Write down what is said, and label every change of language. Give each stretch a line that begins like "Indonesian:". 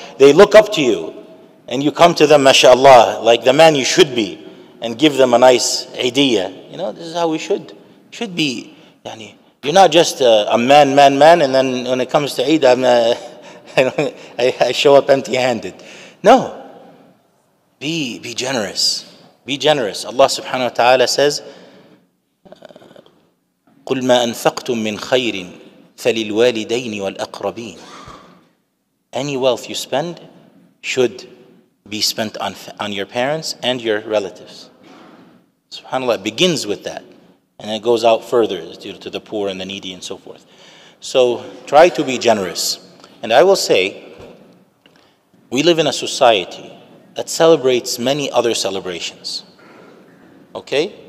English: They look up to you, and you come to them, mashallah, like the man you should be, and give them a nice idea. You know, this is how we should be. Yani, you're not just a man, and then when it comes to Eid, I show up empty-handed. No, be generous.
Arabic: Allah subhanahu wa ta'ala says, قل ما أنفقتم من خير فللوالدين والأقربين.
English: Any wealth you spend should be spent on your parents and your relatives. SubhanAllah, it begins with that. And it goes out further to the poor and the needy and so forth. So try to be generous. And I will say, we live in a society that celebrates many other celebrations. Okay?